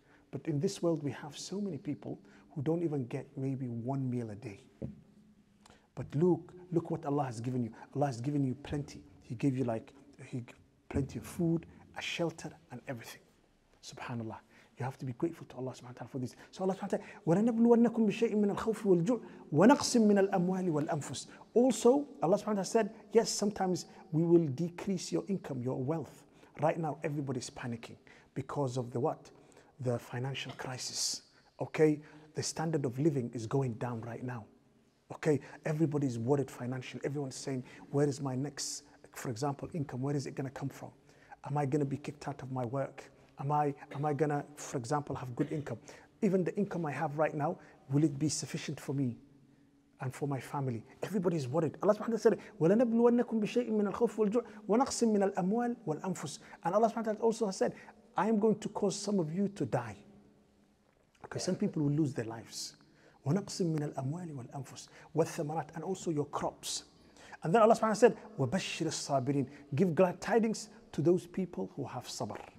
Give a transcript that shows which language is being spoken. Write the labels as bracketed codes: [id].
[en] But in this world, we have so many people who don't even get maybe 1 meal a day. But look what Allah has given you. Allah has given you plenty. He gave you plenty of food, a shelter, and everything. Subhanallah. You have to be grateful to Allah subhanahu wa ta'ala for this. So Allah subhanahu wa ta'ala, [ar] وَلَنَبْلُوَنَّكُمْ بِشَيْءٍ مِّنَ الْخَوْفِ وَالْجُعْ وَنَقْسِمْ مِّنَ الْأَمْوَالِ وَالْأَنفُسِ. [en] Also, Allah subhanahu wa ta'ala said, yes, sometimes we will decrease your income, your wealth. Right now, everybody's panicking because of the what? The financial crisis. Okay? The standard of living is going down right now. Okay? Everybody's worried financially. Everyone's saying, where is my next, for example, income? Where is it going to come from? Am I going to be kicked out of my work? Am I gonna, for example, have good income? Even the income I have right now, will it be sufficient for me and for my family? Everybody's worried. Allah subhanahu wa ta'ala said, [ar] وَلَنَبْلُوَنَّكُمْ بِشَيْءٍ مِّنَ الْخَوْفِ وَالْجُعْ وَنَقْسٍ مِّنَ الْأَمْوَالِ وَالْأَنفُسِ. [en] And Allah subhanahu wa ta'ala also has said, I am going to cause some of you to die. Okay, some people will lose their lives. [ar] وَنَقْسٍ مِّنَ الْأَمْوَالِ وَالْأَنفُسِ وَالثَّمَرَاتِ. [en] And also your crops. And then Allah subhanahu wa ta'ala said, [ar] وَبَشِّرِ الصَّابِرِينَ. [en] Give glad tidings to those people who have sabr.